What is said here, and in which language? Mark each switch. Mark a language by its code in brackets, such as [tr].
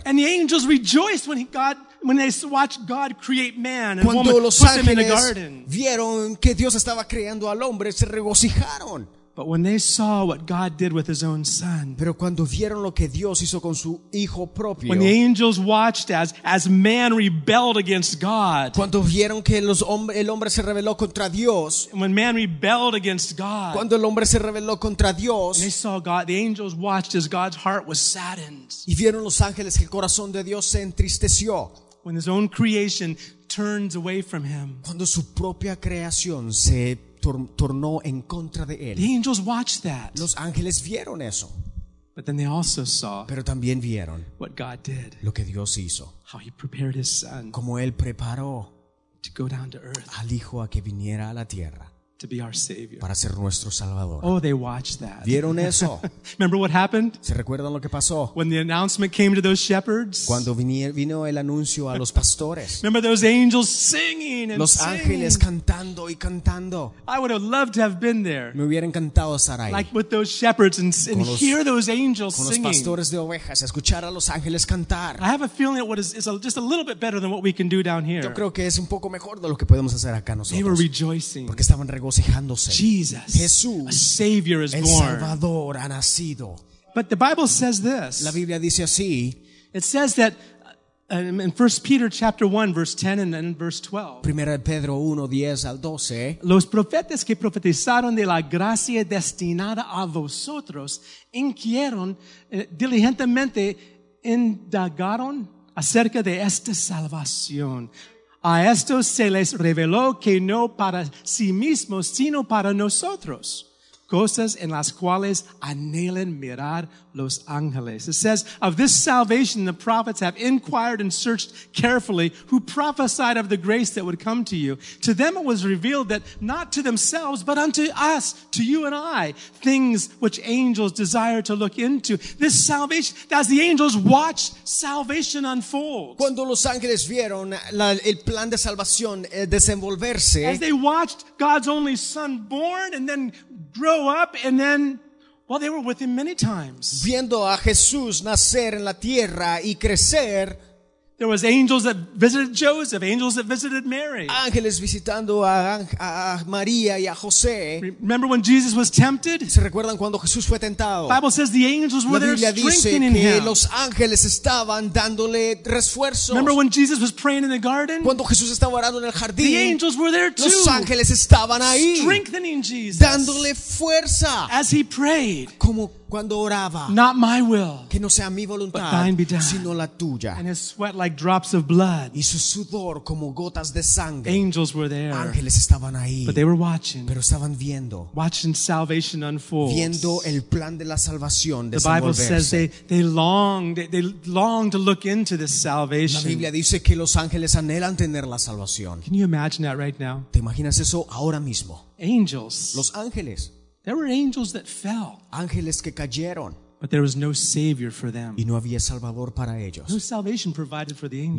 [en] And the angels rejoiced when they watched God create man and woman put them in a garden. [es] Vieron que Dios estaba creando al hombre, se regocijaron. [en] But when they saw what God did with his own son. [es] Pero cuando vieron lo que Dios hizo con su hijo propio. [en] When the angels watched as man rebelled against God. [es] Cuando vieron que el hombre se rebeló contra Dios. [en] When man rebelled against God. [es] Cuando el hombre se rebeló contra Dios. [en] And they saw God, the angels watched as God's heart was saddened. [es] Y vieron los ángeles que el corazón de Dios se entristeció. [en] When his own creation turns away from him. [es] Cuando su propia creación se tornó en contra de él. [en] The angels watched that. [es] Los ángeles vieron eso. [en] But then they also saw. [es] Pero también vieron. [en] What God did. [es] Lo que Dios hizo. [en] How he prepared his son. [es] Como él preparó. [en] To go down to earth. [es] Al hijo a que viniera a la tierra. [en] To be our savior. [es] Para ser nuestro salvador. [en] Oh, they watched that. [es] Vieron eso. [en] Remember what happened? [es] ¿Se recuerdan lo que pasó? [en] When the announcement came to those shepherds. [es] Cuando vino el anuncio a los pastores. [en] Remember those angels singing and [es] los ángeles [en] singing. [es] Cantando y cantando. [en] I would have loved to have been there. [es] Me hubiera encantado estar ahí. [en] Like with those shepherds and [es] los, [en] hear those angels [es] con [en] singing. [es] Con los pastores de ovejas, escuchar a los ángeles cantar. [en] I have a feeling that it's just a little bit better than what we can do down here. [es] Yo creo que es un poco mejor de lo que podemos hacer acá nosotros. [en] They were rejoicing. [es] Porque estaban [en] Jesus, [es] Jesús, [en] a Savior is [es] el [en] born. [es] Salvador ha nacido. [en] But the Bible says this. [es] La Biblia dice así. [en] It says that in 1 Peter chapter 1, verse 10 and then verse 12. [es] Primera de Pedro 1:10-12. Los profetas que profetizaron de la gracia destinada a vosotros inquirieron diligentemente, indagaron acerca de esta salvación. A estos se les reveló que no para sí mismos, sino para nosotros, cosas en las cuales anhelan mirar los ángeles. [en] It says, of this salvation, the prophets have inquired and searched carefully who prophesied of the grace that would come to you. To them it was revealed that not to themselves, but unto us, to you and I, things which angels desire to look into. This salvation, as the angels watch salvation unfold. [es] Cuando los ángeles vieron el plan de salvación desenvolverse, [en] as they watched God's only son born and then grow up and then, well, they were with him many times. [es] Viendo a Jesús nacer en la tierra y crecer, [en] there was angels that visited Joseph, angels that visited Mary. [es] Ángeles visitando a María y a José. [en] Remember when Jesus was tempted? [es] ¿Se recuerdan cuando Jesús fue tentado? [en] The Bible says the angels were there strengthening him. [es] La Biblia dice que los ángeles estaban dándole refuerzos. [en] Remember when Jesus was praying in the garden? [es] Cuando Jesús estaba orando en el jardín. [en] The angels were there too. [es] Los ángeles estaban ahí. [en] Strengthening Jesus. [es] Dándole fuerza. [en] As he prayed. [es] Como cuando oraba, [en] not my will, [es] que no sea mi voluntad, [en] but thine be done, [es] sino la tuya. [en] And his sweat like drops of blood. [es] Y su sudor como gotas de sangre. [en] Angels were there. [es] Ángeles estaban ahí. [en] But they were watching. [es] Pero estaban viendo. [en] Watching salvation unfold. [es] Viendo el plan de la salvación desenvolverse. [en] The Bible says they longed to look into this salvation. [es] La Biblia dice que los ángeles anhelan tener la salvación. [en] Can you imagine that right now? [es] ¿Te imaginas eso ahora mismo? [en] Angels. [es] Los ángeles. [en] There were angels that fell. [es] Ángeles que cayeron. [en] But there was no savior for them. [es] Y no había para ellos. [en] No salvation provided for the angels.